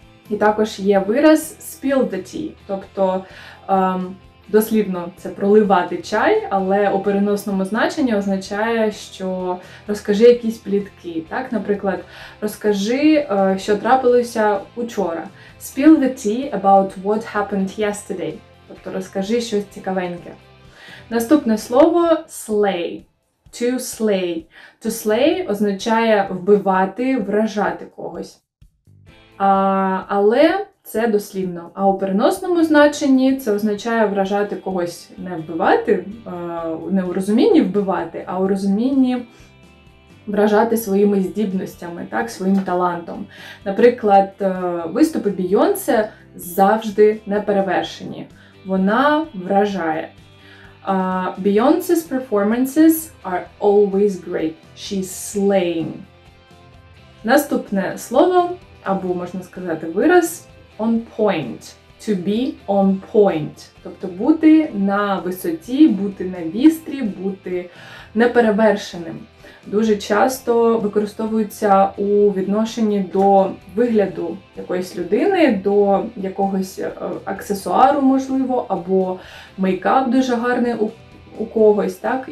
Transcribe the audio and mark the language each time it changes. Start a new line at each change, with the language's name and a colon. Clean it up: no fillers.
Ukrainian: І також є вираз
English: «Spill the tea»,
Ukrainian: тобто дослівно це «проливати чай», але у переносному значенні означає, що розкажи якісь плітки. Так? Наприклад, розкажи, що трапилося учора.
English: Spill the tea about what happened yesterday.
Ukrainian: Тобто розкажи щось цікавеньке. Наступне слово – slay.
English: To slay.
Ukrainian: To slay означає вбивати, вражати когось. Але це дослівно. А у переносному значенні це означає вражати когось не вбивати, не у розумінні вбивати, а у розумінні вражати своїми здібностями, так, своїм талантом. Наприклад, виступи Бійонсе завжди неперевершені. Вона вражає.
English: Beyonce's performances are always great. She's slaying.
Ukrainian: Наступне слово, або можна сказати вираз, on point, to be on point, тобто бути на висоті, бути на вістрі, бути неперевершеним. Дуже часто використовується у відношенні до вигляду якоїсь людини, до якогось аксесуару, можливо, або мейкап дуже гарний у когось, так?